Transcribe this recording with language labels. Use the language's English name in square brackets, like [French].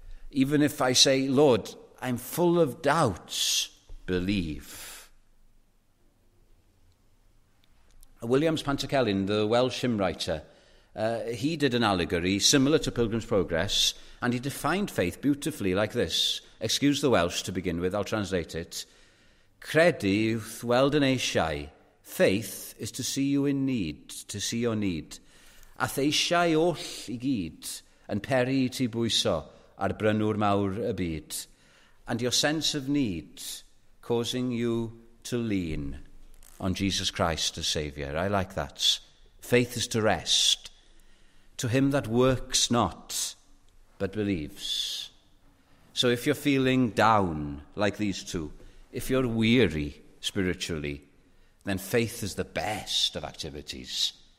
[English] Even if I say, "Lord, I'm full of doubts, believe." William Pantycelyn, the Welsh hymn writer, he did an allegory similar to Pilgrim's Progress, and he defined faith beautifully like this. Excuse the Welsh to begin with, I'll translate it. [Welsh] "Credu wrth weld yn eisiau." [English] Faith is to see you in need, to see your need. [Welsh] "Ath eisiau oll i gyd yn peri i ti bwyso ar brynwr mawr y byd. [English] And your sense of need causing you to lean on Jesus Christ as Saviour." I like that. Faith is to rest. To him that works not, but believes. So if you're feeling down like these two, if you're weary spiritually, then faith is the best of activities.